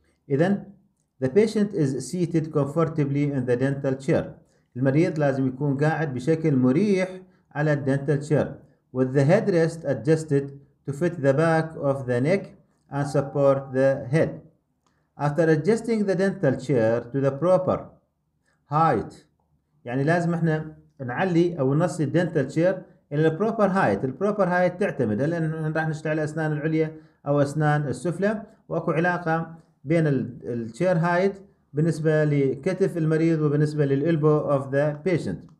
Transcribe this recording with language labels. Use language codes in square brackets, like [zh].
[en] إذن the patient is seated comfortably in the dental chair. [ar] المريض لازم يكون قاعد بشكل مريح على الدنتال تشير. [en] With the headrest adjusted to fit the back of the neck and support the head. After adjusting the dental chair to the proper height. [ar] يعني لازم احنا نعلي او نصي الدنتال تشير الى البروبر هايت. البروبر هايت تعتمد هل احنا راح نشتغل اسنان العليا او اسنان السفلى، واكو علاقة بين التشير هايت بالنسبة لكتف المريض وبالنسبة للإلبو [en] of the patient.